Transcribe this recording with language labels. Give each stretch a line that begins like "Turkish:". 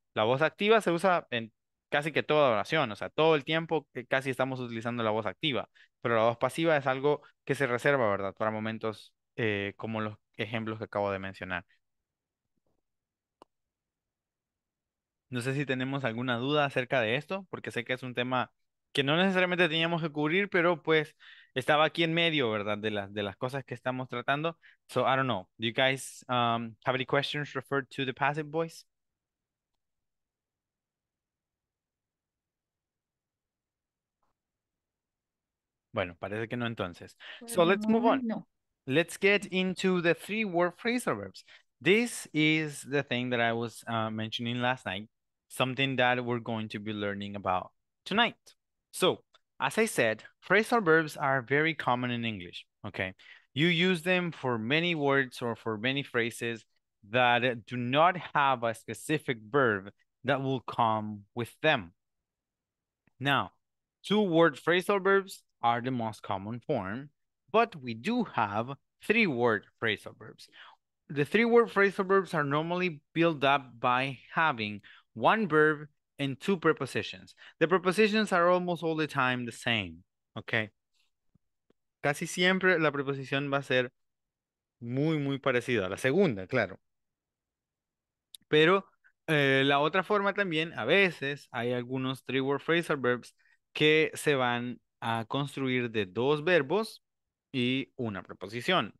Spanish: La voz activa se usa en casi que toda oración, o sea, todo el tiempo casi estamos utilizando la voz activa, pero la voz pasiva es algo que se reserva, ¿verdad?, para momentos como los ejemplos que acabo de mencionar. No sé si tenemos alguna duda acerca de esto, porque sé que es un tema que no necesariamente teníamos que cubrir, pero pues estaba aquí en medio, ¿verdad?, de las cosas que estamos tratando.
English: So, I don't know. Do you guys have any questions referred to the passive voice?
Spanish: Bueno, parece que no entonces.
English: So, let's move on.
Spanish: No.
English: Let's get into the three word phrasal verbs. This is the thing that I was mentioning last night. Something that we're going to be learning about tonight. So, as I said, phrasal verbs are very common in English, okay? You use them for many words or for many phrases that do not have a specific verb that will come with them. Now, two-word phrasal verbs are the most common form, but we do have three-word phrasal verbs. The three-word phrasal verbs are normally built up by having one verb and two prepositions. The prepositions are almost all the time the same, okay?
Spanish: Casi siempre la preposición va a ser muy, muy parecida. La segunda, claro. Pero la otra forma también, a veces, hay algunos three-word phrasal verbs que se van a construir de dos verbos y una preposición.